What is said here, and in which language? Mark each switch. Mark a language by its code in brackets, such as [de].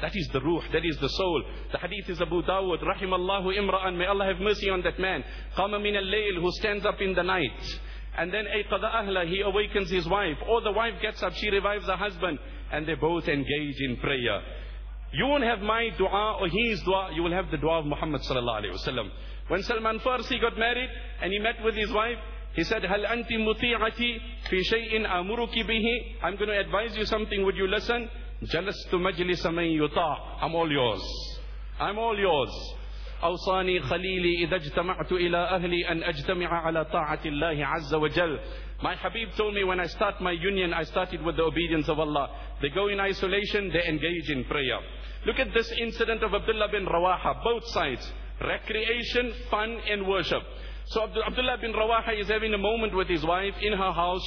[en] That is the ruh, that is the soul. The hadith is Abu Dawud, [ar] rahimallahu imra'an, [en] may Allah have mercy on that man, [ar] qama min al-layl, [en] who stands up in the night, and then [ar] ayqadha ahla, [en] he awakens his wife, or the wife gets up, she revives her husband, and they both engage in prayer. You won't have my dua or his dua, you will have the dua of Muhammad sallallahu alaihi wasallam. When Salman Farsi got married and he met with his wife, He said, [ar] هَلْ أَنْتِ مُطِيعَتِي فِي شَيْءٍ أَمُرُكِ بِهِ. [en] I'm going to advise you something, would you listen? [ar] جَلَسْتُ مَجْلِسَ مَنْ يُطَاعُ. [en] I'm all yours. I'm all yours. [ar] أوصاني خليلي إذا اجتمعت إلى أهلي أن أجتمع على طاعة الله عز وجل. [en] My Habib told me when I start my union, I started with the obedience of Allah. They go in isolation, they engage in prayer. Look at this incident of Abdullah bin Rawaha, both sides. Recreation, fun and worship. So Abdullah bin Rawaha is having a moment with his wife in her house.